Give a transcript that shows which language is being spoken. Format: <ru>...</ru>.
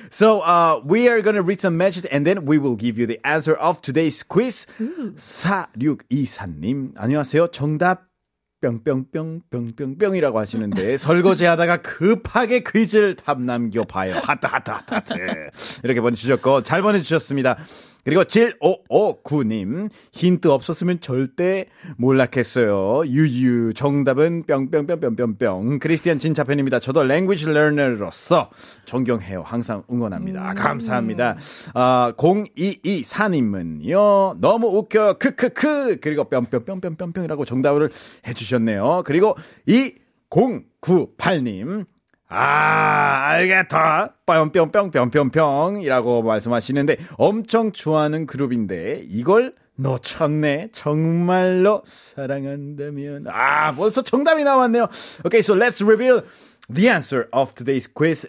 <en>So, we are going to read some messages and then we will give you the answer of today's quiz.</en> <ko>4624님. 안녕하세요. 정답. 뿅뿅뿅뿅뿅뿅이라고 하시는데 설거지 하다가 급하게 퀴즈를 답 남겨봐요. 하트 하트 하트 하트 이렇게 보내주셨고 잘 보내주셨습니다. 그리고 7559님 힌트 없었으면 절대 몰락했어요. 유유 정답은 뿅뿅뿅뿅뿅뿅. 크리스티안 진차팬입니다. 저도 랭귀지 러너로서 존경해요. 항상 응원합니다. 감사합니다. 0224님은요 너무 웃겨 크크크. 그리고 뿅뿅뿅뿅뿅이라고 정답을 해주셨네요. 그리고 2098님 아 알겠다 뿅뿅뿅뿅뿅뿅 이라고 말씀하시는데 엄청 좋아하는 그룹인데 이걸 놓쳤네. 정말로 사랑한다면. 아 벌써 정답이 나왔네요.</ko> <en>Okay, so let's reveal the answer of today's quiz.</en>